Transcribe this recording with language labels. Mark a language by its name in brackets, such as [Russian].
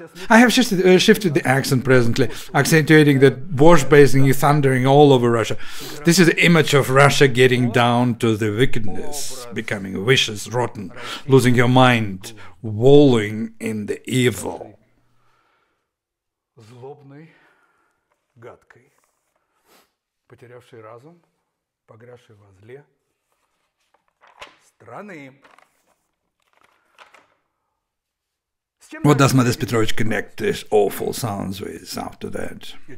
[English] I have shifted the accent presently, accentuating that wash basin is thundering all over Russia. This is the image of Russia getting down to the wickedness, becoming vicious, rotten, losing your mind, wallowing in the evil. [Russian] Злобной, гадкой, потерявшей разум, погрязшей во зле страны. [English] What does Modest Petrovich connect these awful sounds with after that?